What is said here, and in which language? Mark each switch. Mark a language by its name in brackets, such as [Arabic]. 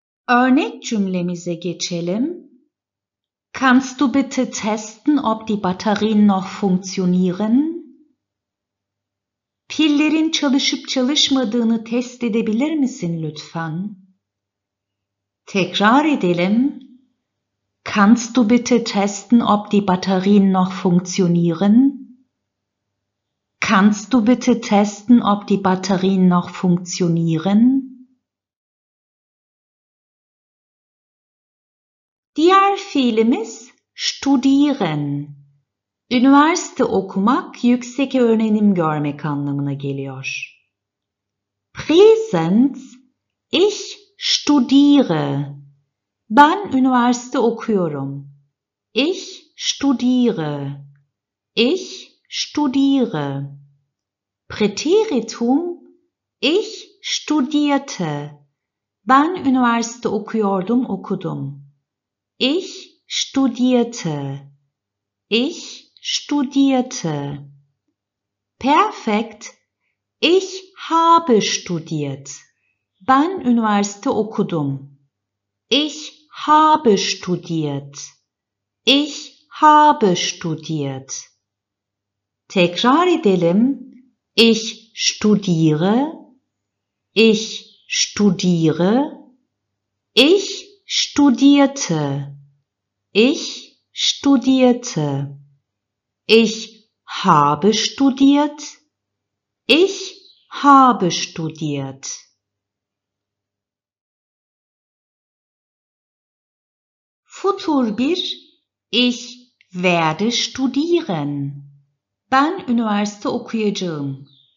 [Turkish] Örnek cümlemize geçelim. [German] Kannst du bitte testen, ob die Batterien noch funktionieren? [Turkish] Pillerin çalışıp çalışmadığını test edebilir misin lütfen? Tekrar edelim. [German] Kannst du bitte testen, ob die Batterien noch funktionieren? Kannst du bitte testen, ob die Batterien noch funktionieren? [Turkish] Diğer fiilimiz studieren. Üniversite okumak, yüksek öğrenim görmek anlamına geliyor. [German] Präsens, ich studiere. [Turkish] Ben üniversite okuyorum. [German] Ich studiere. Ich studiere. Präteritum, ich studierte. [Turkish] Ben üniversite okuyordum, okudum. [German] Ich studierte. Ich studierte. Perfekt. Ich habe studiert. [Turkish] Ben üniversite okudum. [German] Ich habe studiert. Ich habe studiert. [Turkish] Tekrar edelim. [German] Ich studiere. Ich studiere. Ich studierte. Ich studierte. Ich habe studiert. Ich habe studiert. Futur bir, ich werde studieren. [Turkish] Ben üniversite okuyacağım.